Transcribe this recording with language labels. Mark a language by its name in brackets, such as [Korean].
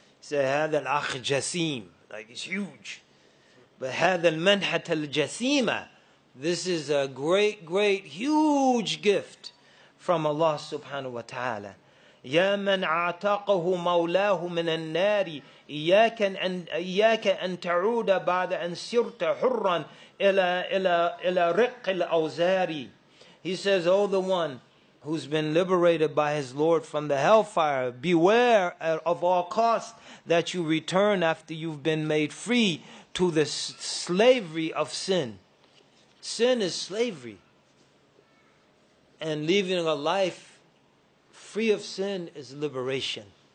[Arabic] Say, هذا الأخ جسيم. [English] Like, it's huge. [Arabic] But هذا المنحة الجسيمة. [English] This is a great, great, huge gift from Allah subhanahu wa ta'ala. [Arabic] يا من عتقه مولاه من النار إياك أن تعود بعد أن سرت حرا إلى رق الأوزار. [English] He says, oh, the one who's been liberated by his Lord from the hellfire, beware of all cost that you return after you've been made free to the slavery of sin. Sin is slavery. And living a life free of sin is liberation.